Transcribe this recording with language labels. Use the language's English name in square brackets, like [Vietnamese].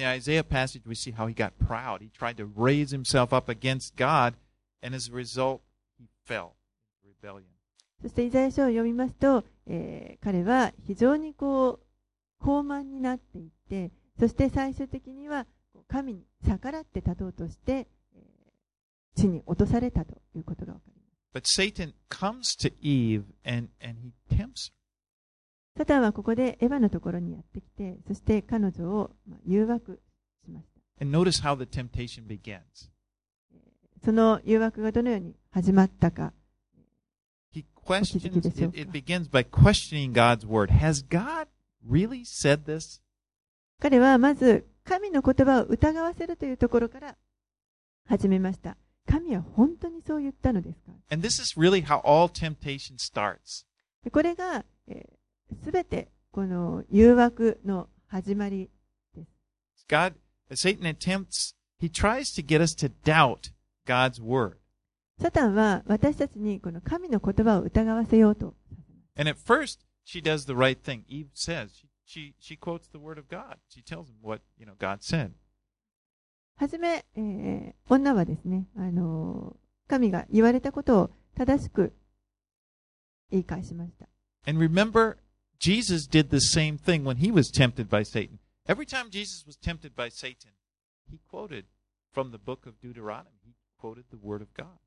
[English] In the Isaiah passage, we see how he got proud. He tried to raise himself up against God, and as a result, he fell in rebellion. [Japanese] そしてイザヤ書を読みますと、彼は非常にこう高慢になっていって、そして最終的には神に逆らって立とうとして、地に落とされたということがわかります。 [English] But Satan comes to Eve and he tempts her. [Japanese] サタンはここでエヴァのところにやってきて、そして彼女を誘惑しました。 [English] And notice how the temptation begins. [Japanese] その誘惑がどのように始まったか。 [English] He questions, it begins by questioning God's word. Has God really said this? [Japanese] 彼はまず神の言葉を疑わせるというところから始めました。神は本当にそう言ったのですか? [English] And this is really how all temptation starts. [Japanese] これが、全てこの誘惑の始まりです。 [English] God, Satan attempts, he tries to get us to doubt God's word. [Japanese] サタンは私たちにこの神の言葉を疑わせようと。 [English] And at first, she does the right thing. Eve says, she quotes the word of God. She tells him what, you know, God said. [Japanese] はじめ、女はですね、神が言われたことを正しく言い返しました。 [English] And remember, Jesus did the same thing when he was tempted by Satan. Every time Jesus was tempted by Satan, he quoted from the book of Deuteronomy. He quoted the word of God.